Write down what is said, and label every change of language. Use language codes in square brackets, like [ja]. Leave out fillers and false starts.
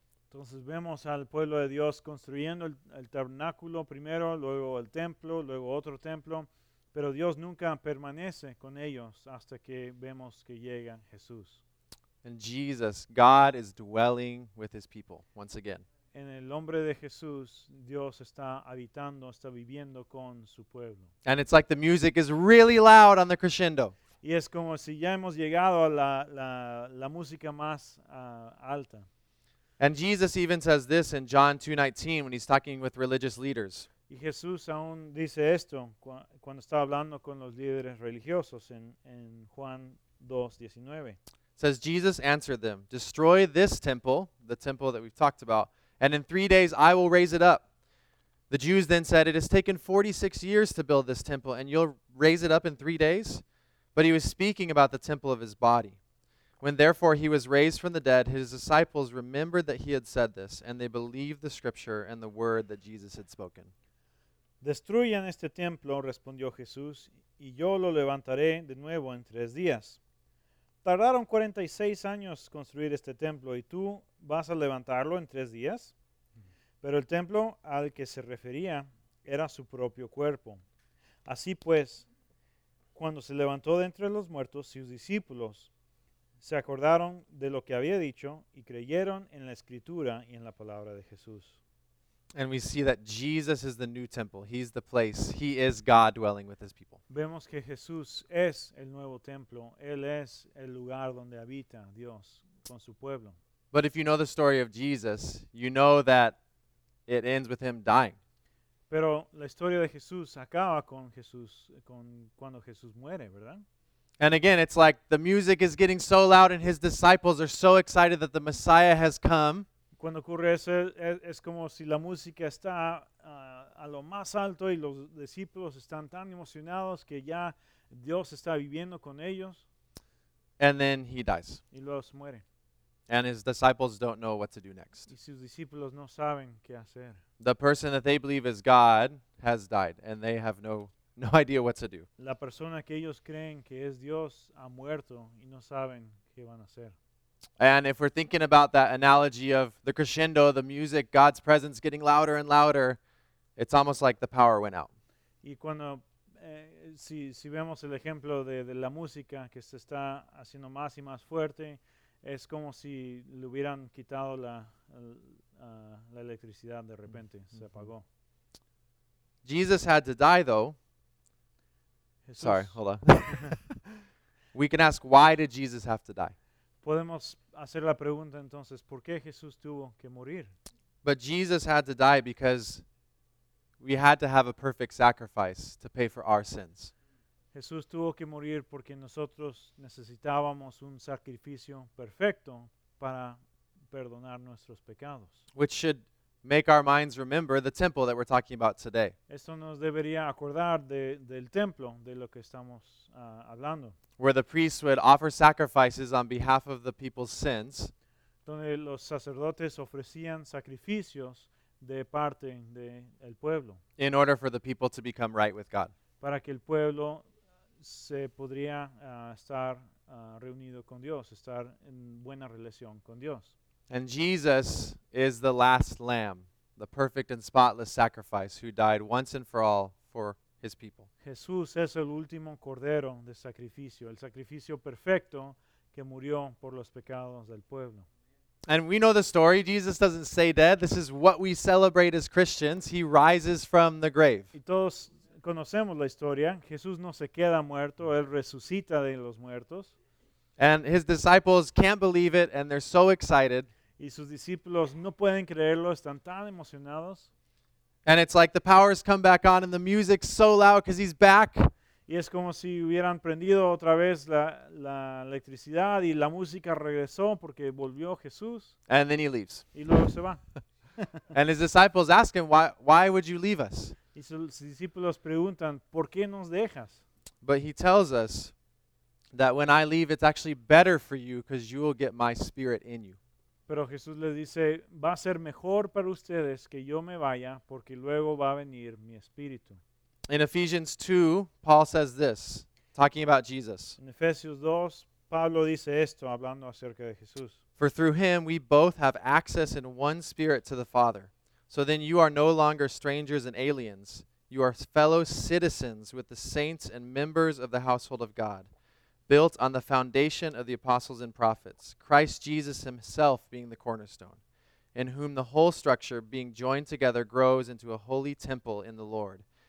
[es] Entonces vemos al pueblo de Dios construyendo el tabernáculo primero, luego el templo, luego otro templo, pero Dios nunca permanece con ellos hasta que vemos que llega Jesús. [en] And Jesus, God is dwelling with his people once again. [es] En el nombre de Jesús, Dios está habitando, está viviendo con su pueblo. [en] And it's like the music is really loud on the crescendo. [es] Y es como si ya hemos llegado a la música más alta. [en] And Jesus even says this in John 2:19 when he's talking with religious leaders. [es] Y Jesús aún dice esto cuando está hablando con los líderes religiosos en Juan 2:19. [en] It says, Jesus answered them, destroy this temple, the temple that we've talked about, and in 3 days I will raise it up. The Jews then said, it has taken 46 years to build this temple, and you'll raise it up in 3 days? But he was speaking about the temple of his body. When therefore he was raised from the dead, his disciples remembered that he had said this, and they believed the scripture and the word that Jesus had spoken. [es] Destruyan este templo, respondió Jesús, y yo lo levantaré de nuevo en 3 días. Tardaron 46 años construir este templo, y tú vas a levantarlo en 3 días. Pero el templo al que se refería era su propio cuerpo. Así pues, cuando se levantó de entre los muertos, sus discípulos se acordaron de lo que había dicho y creyeron en la escritura y en la palabra de Jesús. [en] And we see that Jesus is the new temple. He's the place. He is God dwelling with his people. [es] Vemos que Jesús es el nuevo templo. Él es el lugar donde habita Dios con su pueblo. [en] But if you know the story of Jesus, you know that it ends with him dying. [es] Pero la historia de Jesús acaba con Jesús, con cuando Jesús muere, ¿verdad? [en] And again, it's like the music is getting so loud and his disciples are so excited that the Messiah has come. [es] Cuando ocurre eso, es como si la música está a lo más alto y los discípulos están tan emocionados que ya Dios está viviendo con ellos. [en] And then he dies. [es] Y luego se muere. [en] And his disciples don't know what to do next. [es] Y sus discípulos no saben qué hacer. [en] The person that they believe is God has died, and they have no idea what to do. [es] La persona que ellos creen que es Dios ha muerto y no saben qué van a hacer. [en] And if we're thinking about that analogy of the crescendo, the music, God's presence getting louder and louder, it's almost like the power went out. [es] Y cuando si vemos el ejemplo de la música que se está haciendo más y más fuerte, es como si le hubieran quitado la electricidad de repente, mm-hmm. Se apagó. [en] Jesus had to die, though. Jesus. Sorry, hold on. We can ask, why did Jesus have to die? [es] Podemos hacer la pregunta entonces, ¿por qué Jesús tuvo que morir? [en] But Jesus had to die because we had to have a perfect sacrifice to pay for our sins. [es] Jesús tuvo que morir porque nosotros necesitábamos un sacrificio perfecto para perdonar nuestros pecados. [en] Which should make our minds remember the temple that we're talking about today. [es] Esto nos debería acordar del templo de lo que estamos hablando. [en] Where the priests would offer sacrifices on behalf of the people's sins. [es] Donde los sacerdotes ofrecían sacrificios de parte del pueblo. [en] In order for the people to become right with God. [es] Para que el pueblo se podría estar reunido con Dios, estar en buena relación con Dios. [en] And Jesus is the last lamb, the perfect and spotless sacrifice who died once and for all for his people. [es] Jesús es el último cordero de sacrificio, el sacrificio perfecto que murió por los pecados del pueblo. [en] And we know the story. Jesus doesn't stay dead. This is what we celebrate as Christians. He rises from the grave. [es] Y todos conocemos la historia. Jesús no se queda muerto. Él resucita de los muertos. [en] And his disciples can't believe it, and they're so excited. [es] Y sus discípulos no pueden creerlo, están tan emocionados. [en] And it's like the power's come back on, and the music's so loud because he's back. [es] Y es como si hubieran prendido otra vez la electricidad, y la música regresó porque volvió Jesús. [en] And then he leaves. [es] Y luego se va. [en] And his disciples ask him, why would you leave us? [es] Y sus discípulos preguntan, ¿por qué nos dejas? [en] But he tells us that when I leave, it's actually better for you because you will get my spirit in you. [es] Pero Jesús les dice, va a ser mejor para ustedes que yo me vaya porque luego va a venir mi espíritu. [en] In Ephesians 2, Paul says this, talking about Jesus. [es] En Efesios 2, Pablo dice esto, hablando acerca de Jesús. [en] For through him we both have access in one spirit to the Father. So then you are no longer strangers and aliens. You are fellow citizens with the saints and members of the household of God. Built on the foundation of the apostles and prophets, Christ Jesus himself being the cornerstone, in whom the whole structure being joined together grows into a holy temple in the Lord.